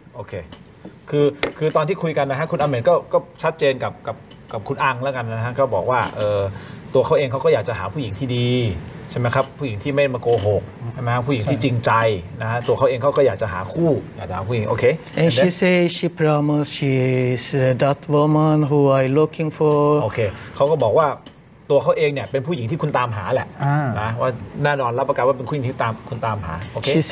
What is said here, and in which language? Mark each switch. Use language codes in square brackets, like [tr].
[th] okay คือตอนที่คุยกันนะฮะคุณอเมนก็ชัดเจนกับคุณอังแล้วกันนะฮะก็บอกว่าตัวเขาเองเขาก็อยากจะหาผู้หญิงที่ดีใช่ไหมครับผู้หญิงที่ไม่มาโกหกใช่ไหมผู้หญิงที่จริงใจนะฮะตัวเขาเองเขาก็อยากจะหาคู่อยากจะหาผู้หญิงโอเค [en] and she say she promise she is that woman who I looking for [th] โอเคเขาก็บอกว่าตัวเขาเองเนี่ยเป็นผู้หญิงที่คุณตามหาแหละนะว่าแน่นอนรับประกันว่าเป็นผู้หญิงที่ตามคุณตามหาโอเค